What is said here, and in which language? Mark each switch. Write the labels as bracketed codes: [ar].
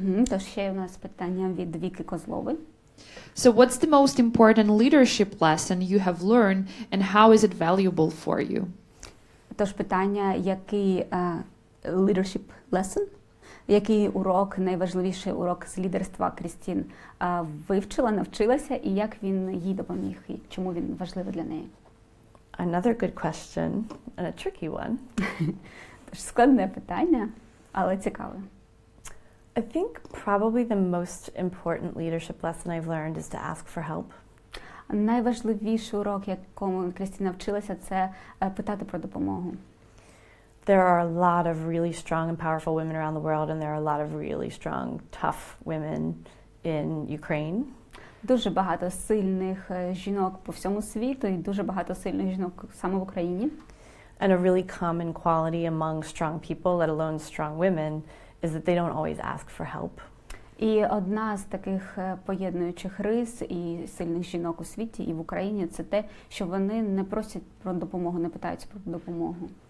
[uk] Тож ще у нас питання від Віки Козлови. [en] So what's the most important leadership lesson you have learned and how is it valuable for you? [uk] Тож питання, який [en] leadership lesson? [uk] Який урок, найважливіший урок з лідерства Кристін вивчила, навчилася і як він їй допоміг і чому він важливий для неї? [en] Another good question and a tricky one. [uk] Тож складне питання, але цікаве. [en] I think probably the most important leadership lesson I've learned is to ask for help. [uk] Найважливіший урок, якому Кристін навчилася, це питати про допомогу. [en] There are a lot of really strong and powerful women around the world, and there are a lot of really strong, tough women in Ukraine. [uk] Дуже багато сильних жінок по всьому світу і дуже багато сильних жінок саме в Україні. [en] And a really common quality among strong people, let alone strong women, is that they don't always ask for help. [uk] І одна з таких поєднуючих рис і сильних жінок у світі і в Україні це те, що вони не просять про допомогу, не питають про допомогу.